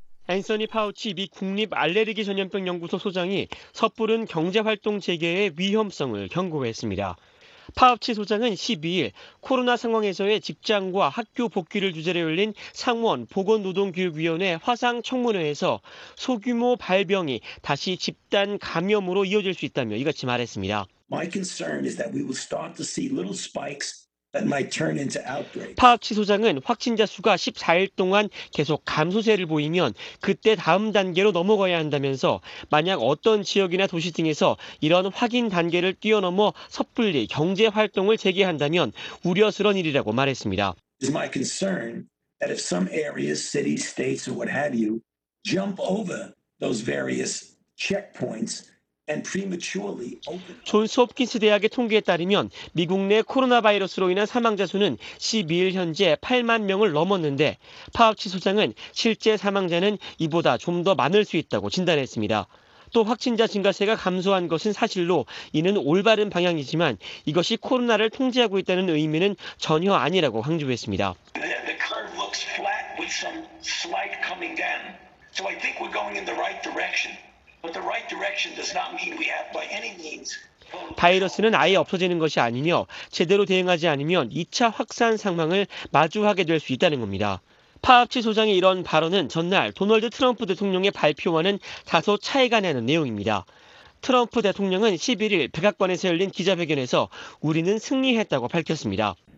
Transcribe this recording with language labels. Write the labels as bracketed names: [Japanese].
[Korean] 앤서니 파우치 미 국립 알레르기 전염병 연구소 소장이 섣부른 경제활동 재개의 위험성을 경고했습니다. 파우치 소장은 12일 코로나 상황에서의 직장과 학교 복귀를 주제로 열린 상원 보건노동교육위원회 화상 청문회에서 소규모 발병이 다시 집단 감염으로 이어질 수 있다며 이같이 말했습니다. [English] My concern is that we will start to see little spikes that might turn into outbreaks. [Korean] 파우치 소장은 확진자 수가 14일 동안 계속 감소세를 보이면 그때 다음 단계로 넘어가야 한다면서 만약 어떤 지역이나 도시 등에서 이런 확인 단계를 뛰어넘어 섣불리 경제 활동을 재개한다면 우려스러운 일이라고 말했습니다. [English] Is my concern that if some areas, cities, states or what have you jump over those various checkpoints and prematurely open. [Korean] 존스 홉킨스 대학의 통계에 따르면 미국 내 코로나 바이러스로 인한 사망자 수는 12일 현재 8만 명을 넘었는데 파우치 소장은 실제 사망자는 이보다 좀 더 많을 수 있다고 진단했습니다. 또 확진자 증가세가 감소한 것은 사실로 이는 올바른 방향이지만 이것이 코로나를 통제하고 있다는 의미는 전혀 아니라고 강조했습니다. [English] The curve looks flat with some slight coming down. So I think we're going in the right direction. But the right direction does not mean we have by any means. [Korean] 바이러스는 아예 없어지는 것이 아니며 제대로 대응하지 않으면 2차 확산 상황을 마주하게 될 수 있다는 겁니다. 파우치 소장의 이런 발언은 전날 도널드 트럼프 대통령의 발표와는 다소 차이가 나는 내용입니다. 트럼프 대통령은 11일 백악관에서 열린 기자회견에서 우리는 승리했다고 밝혔습니다.